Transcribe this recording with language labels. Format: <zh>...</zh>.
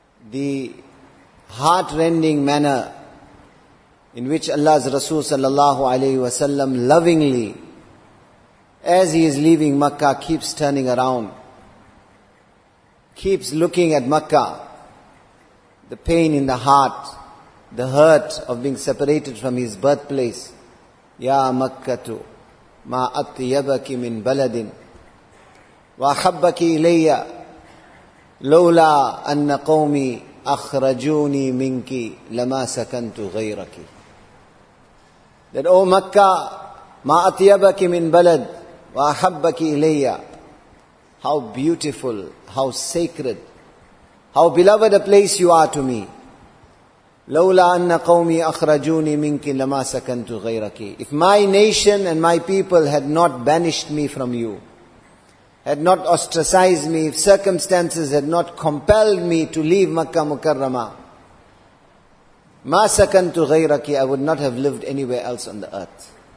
<en>the heart-rending manner in which Allah's Rasul sallallahu alayhi wa sallam lovingly, as he is leaving Makkah, keeps turning around, keeps looking at Makkah, the pain in the heart, the hurt of being separated from his birthplace.</en> <ar>Ya Makkatu, ma atyabaki min baladin, wa habbaki ilayya, lawla anna qawmi أخرجوني منك لما سكنت غيرك.</ar> <en>That, O Makkah,</en> <ar>ما أطيبك من بلد وأحبك إلي.</ar> <en>How beautiful, how sacred, how beloved a place you are to me.</en> <ar>لولا أن قومي أخرجوني منك لما سكنت غيرك.</ar> <en>If my nation and my people had not banished me from you, had not ostracized me, if circumstances had not compelled me to leave Makkah Mukarramah,</en> <ar>مَا سَكَنْتُ غَيْرَكِ,</ar> <en>I would not have lived anywhere else on the earth.</en>